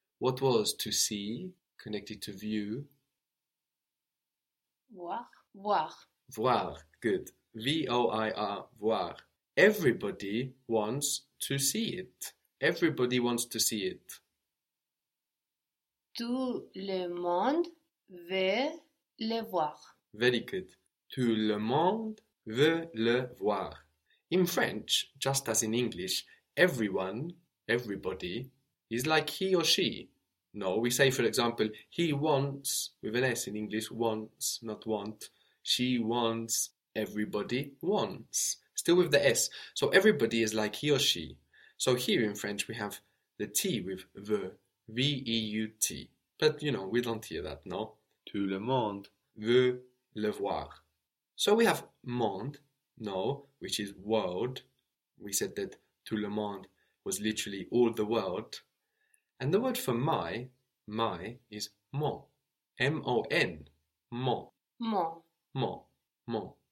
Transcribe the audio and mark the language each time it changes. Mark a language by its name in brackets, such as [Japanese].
[English] What was to see connected to view? [French] Voir, voir. Voir, [English] good. [French] V-O-I-R, voir. [English] Everybody wants to see it. Everybody wants to see it. [French] Tout le monde veut le voir. [English] Very good. [French] Tout le monde veut le voir. [English] In French, just as in English, everyone, everybody, is like he or she. No, we say, for example, he wants, with an S in English, wants, not want. She wants, everybody wants, still with the S. So everybody is like he or she. So here in French, we have the T with the, V-E-U-T. But, you know, we don't hear that, no? [French] Tout le monde veut le voir. [English] So we have monde, no, which is world. We said that tout le monde was literally all the world. And the word for my, my, is mon, M-O-N, mon, [French] Mon. mon, mon.